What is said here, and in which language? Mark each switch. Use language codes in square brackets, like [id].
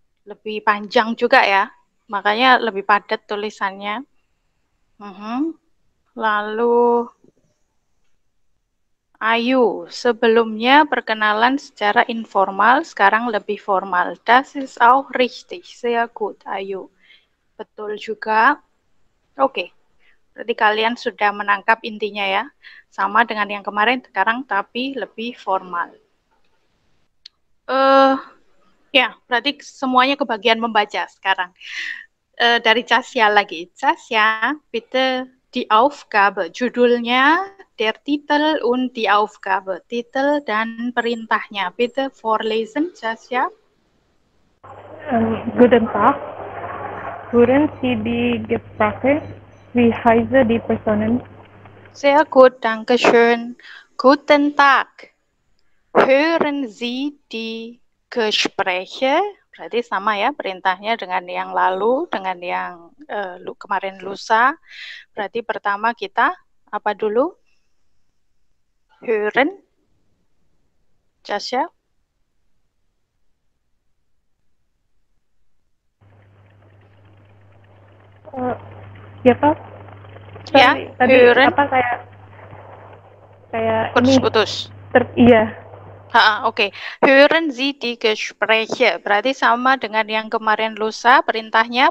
[id] Lebih panjang juga ya, makanya lebih padat tulisannya. Lalu, Ayu, sebelumnya perkenalan secara informal, sekarang lebih formal. [de] Das ist auch richtig, sehr gut, Ayu. [id] Betul juga. Oke, berarti kalian sudah menangkap intinya ya. Sama dengan yang kemarin sekarang, tapi lebih formal. Ya, berarti semuanya kebagian membaca sekarang. Dari Casia lagi. [de] Casia, bitte die Aufgabe. Judulnya, der Titel und die Aufgabe. [id] Titel dan perintahnya. [de] Bitte vorlesen, Casia. Guten Tag. Würden Sie die Gespräche, wie heißen die Personen? Sehr gut, danke schön. Guten Tag. Hören Sie die Gespräche? [id] Berarti sama ya, perintahnya dengan yang lalu, dengan yang kemarin lusa. Berarti pertama kita, apa dulu? Hören? Jasya? Ya, Pak. Sorry, ya, tadi [de] hören. [id] Apa kayak putus-putus. Iya. Oke. Okay. [de] Hören Sie die Gespräche. [id] Berarti sama dengan yang kemarin lusa perintahnya.